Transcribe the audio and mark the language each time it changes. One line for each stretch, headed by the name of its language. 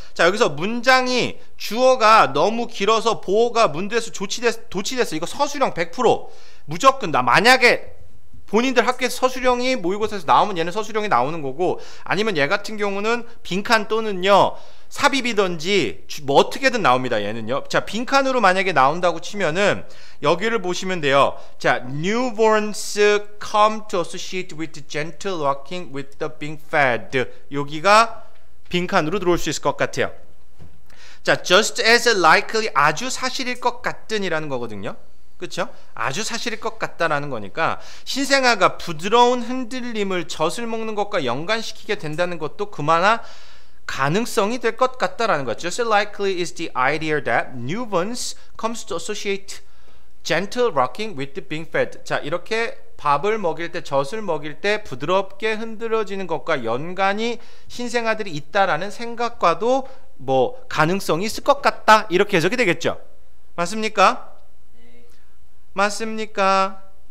Korean: 자, 여기서 문장이 주어가 너무 길어서 보어가 문대수 도치됐어. 이거 서술형 100%. 무조건 나 만약에 본인들 학교에서 서술형이 모의고사에서 나오면 얘는 서술형이 나오는 거고, 아니면 얘 같은 경우는 빈칸 또는요 삽입이든지 뭐 어떻게든 나옵니다. 얘는요. 자, 빈칸으로 만약에 나온다고 치면은 여기를 보시면 돼요.
English: 자, newborns come to associate with gentle walking with the being fed.
Korean: 여기가 빈칸으로 들어올 수 있을 것 같아요. 자,
English: just as likely,
Korean: 아주 사실일 것 같든이라는 거거든요. 그렇죠? 아주 사실일 것 같다라는 거니까 신생아가 부드러운 흔들림을 젖을 먹는 것과 연관시키게 된다는 것도 그만한 가능성이 될 것 같다라는 거죠.
English: Just as likely is the idea that newborns comes to associate gentle rocking with being fed.
Korean: 자, 이렇게 밥을 먹일 때, 젖을 먹일 때 부드럽게 흔들어지는 것과 연관이 신생아들이 있다라는 생각과도 뭐 가능성이 있을 것 같다, 이렇게 해석이 되겠죠. 맞습니까? 네. 맞습니까?